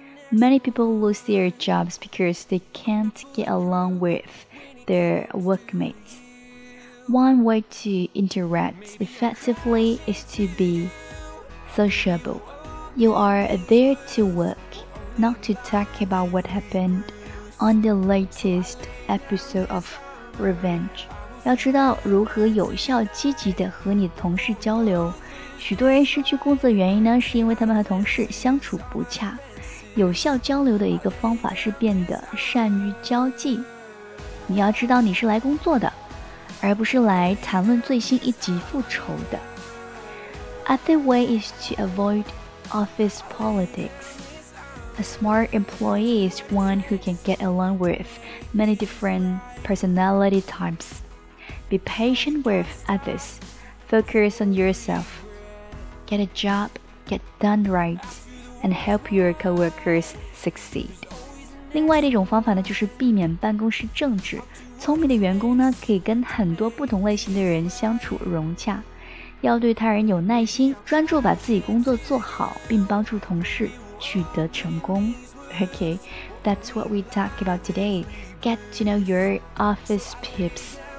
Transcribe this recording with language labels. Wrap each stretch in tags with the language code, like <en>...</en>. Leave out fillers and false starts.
<en>Many people lose their jobs because they can't get along with their workmates. One way to interact effectively is to beSociable. You are there to work, not to talk about what happened on the latest episode of Revenge.</en> <zh>要知道如何有效积极地和你的同事交流。许多人失去工作的原因呢，是因为他们和同事相处不洽。有效交流的一个方法是变得善于交际。你要知道你是来工作的，而不是来谈论最新一集复仇的。</zh> <en>A third way is to avoid office politics. A smart employee is one who can get along with many different personality types. Be patient with others. Focus on yourself. Get a job, get done right, and help your coworkers succeed.</en> <zh>另外的一种方法呢，就是避免办公室政治。聪明的员工呢，可以跟很多不同类型的人相处融洽。要对他人有耐心，专注把自己工作做好，并帮助同事取得成功。</zh> <en>Okay, that's what we talk about today. Get to know your office peeps.</en>